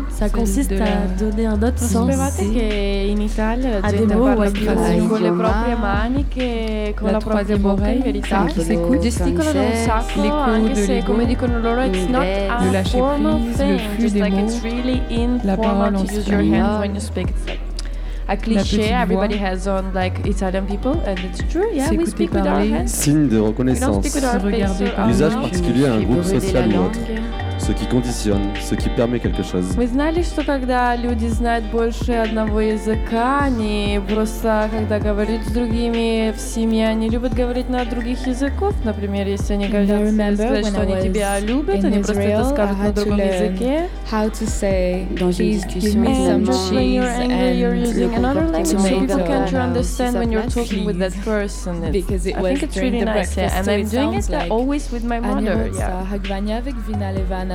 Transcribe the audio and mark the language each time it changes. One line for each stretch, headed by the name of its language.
French: Ça consiste à donner un autre sens. Vous savez qu'en Italie,
Italian: la gente
French: parle plus avec les propres mains que avec la propre bouche, en vérité. Ils s'écoutent, gesticulent
Italian: un sacco,
French: même si, comme disent eux, ce n'est pas le lâcher prise, le flux des mots, la parole en streaming.
English: A cliché, everybody has on like Italian people, and it's true, yeah,
French: s'écouter
English: we speak
French: parler.
English: With our hands.
French: Signe de reconnaissance, usage particulier à un groupe social ou autre, ce qui conditionne, ce qui permet quelque chose.
Russian: Вы знали, что когда люди знают больше одного языка, они просто, когда говорят с другими в семье, они любят говорить на других языках, например, если они говорят, что они тебя любят, они просто это скажут на другом языке.
English: How to say,
French: dans une discussion,
English: and just when you're angry, you're using another language, so people can't understand when you're talking with that person. Because it was during the breakfast, yeah. And I'm doing it always with my mother, yeah.